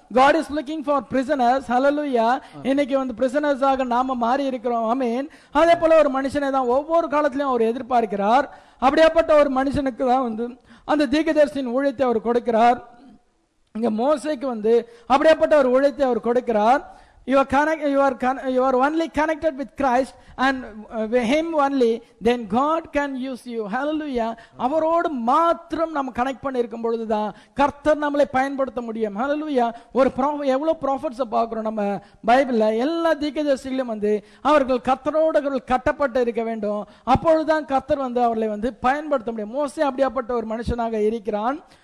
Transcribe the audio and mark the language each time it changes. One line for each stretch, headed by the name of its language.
English: God is looking for prisoners.
Tamil: Hallelujah. இன்னைக்கு வந்து prisoners ஆக நாம மாறி இருக்கிறோம். Amen. அதே போல ஒரு மனுஷனை தான் ஒவ்வொரு காலத்திலையும் அவர் எதிர்பார்க்கிறார். அப்படியேப்பட்ட ஒரு மனுஷனுக்கு தான் வந்து அந்த தீர்க்கதரிசியின் ஊழியத்தை அவர் கொடுக்கிறார். இங்க மோசேக்கு வந்து அப்படியேப்பட்ட ஒரு ஊழியத்தை அவர் கொடுக்கிறார்.
English: You are only connected with Christ and with him only, then God can use you. Hallelujah.
Tamil: அவரோடு மாத்திரம் நம்ம கனெக்ட் பண்ணிருக்கும் பொழுதுதான் கர்த்தர் நம்மளை பயன்படுத்த முடியும். Hallelujah. ஒரு எவ்வளவு ப்ராஃபட்ஸ் பாக்குறோம் நம்ம பைபிள்ல, எல்லா தீர்க்கதரிசிகளும் வந்து அவர்கள் கர்த்தரோடு அவர்கள் கட்டப்பட்டு இருக்க வேண்டும். அப்பொழுதுதான் கர்த்தர் வந்து அவர்களை வந்து பயன்படுத்த முடியும். மோசே அப்படியாப்பட்ட ஒரு மனுஷனாக இருக்கிறான்.